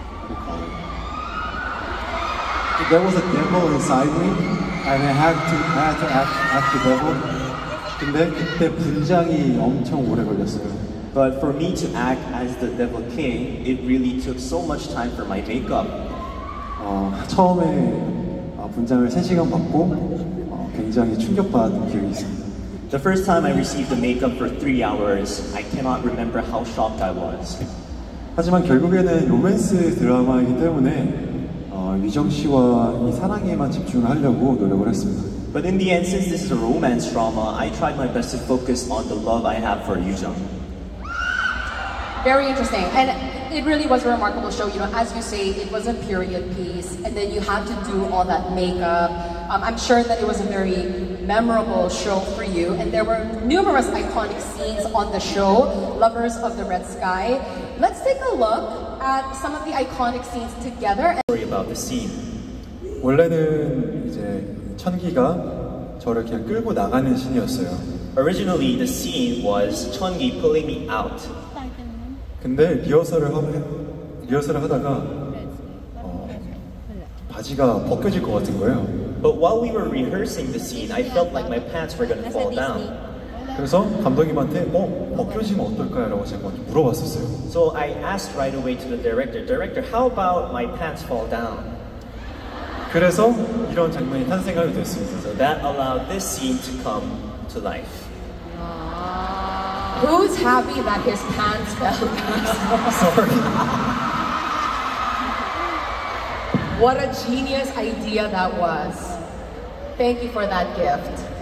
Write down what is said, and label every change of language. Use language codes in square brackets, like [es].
[en] If there was a devil inside me, and I had to act the devil. [ko] 근데 그때 분장이 엄청 오래 걸렸어요. [en] But for me to act as the devil king, it really took so much time for my makeup. [ko] 처음에 분장을 3시간 받고 굉장히 충격받은 기억이 있습니다. [en] The first time I received the makeup for 3 hours, I cannot remember how shocked I was. [ko] 하지만 결국에는 로맨스 드라마이기 때문에 유정 씨와 이 사랑에만 집중하려고 노력을 했습니다. [en] But in the end, since this is a romance drama, I tried my best to focus on the love I have for Yujeong. Very interesting. And it really was a remarkable show. You know, as you say, it was a period piece, and then you had to do all that makeup. I'm sure that it was a very memorable show for you, and there were numerous iconic scenes on the show, Lovers of the Red Sky. Let's take a look at some of the iconic scenes together. Story about the scene. [ko] 원래는 이제 천기가 저를 그냥 끌고 나가는 신이었어요. [en] Originally, the scene was Chungi pulling me out. [ko] 근데 리허설을 하다가 바지가 벗겨질 것 같은 거예요. [en] But while we were rehearsing the scene, I felt like my pants were gonna fall down. [ko] 그래서 감독님한테 벗겨지면 어떨까요? 라고 제가 물어봤었어요. [en] So I asked right away to the director, "Director, how about my pants fall down?" [ko] 그래서 이런 장면이 탄생하게 됐습니다. [en] So that allowed this scene to come to life. Who's happy that his pants fell down? Sorry. What a genius idea that was. Thank you for that gift.